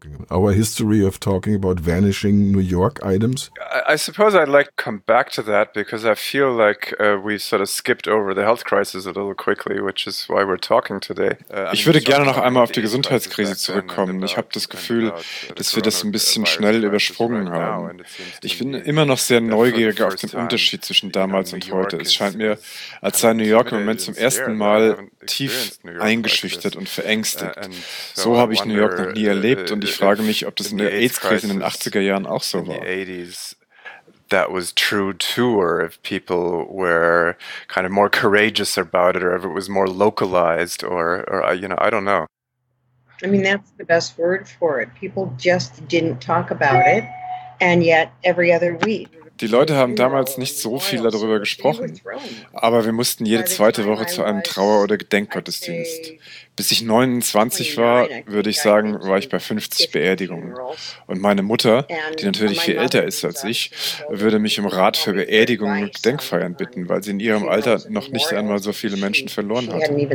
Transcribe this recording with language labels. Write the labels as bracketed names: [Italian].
[English] Our history of talking about vanishing New York items. I suppose I'd like to come back to that because I feel like we sort of skipped over the health crisis a little quickly, which is why we're talking today. [German] Ich würde gerne noch einmal auf die Gesundheitskrise zurückkommen. Ich habe das Gefühl, dass wir das ein bisschen schnell übersprungen haben. Ich bin immer noch sehr neugierig auf den Unterschied zwischen damals und heute. Es scheint mir, als sei New York im Moment zum ersten Mal tief eingeschüchtert und verängstigt. So habe ich New York noch nie erlebt und ich frage mich, ob das in der AIDS-Krise in den 80er Jahren auch so war. [English] That was true too, or if people were kind of more courageous about it, or if it was more localized, or you know, I don't know. I mean, that's the best word for it. People just didn't talk about it, and yet every other week. [German] Die Leute haben damals nicht so viel darüber gesprochen, aber wir mussten jede zweite Woche zu einem Trauer- oder Gedenkgottesdienst. Bis ich 29 war, würde ich sagen, war ich bei 50 Beerdigungen. Und meine Mutter, die natürlich viel älter ist als ich, würde mich um Rat für Beerdigungen und Gedenkfeiern bitten, weil sie in ihrem Alter noch nicht einmal so viele Menschen verloren hat.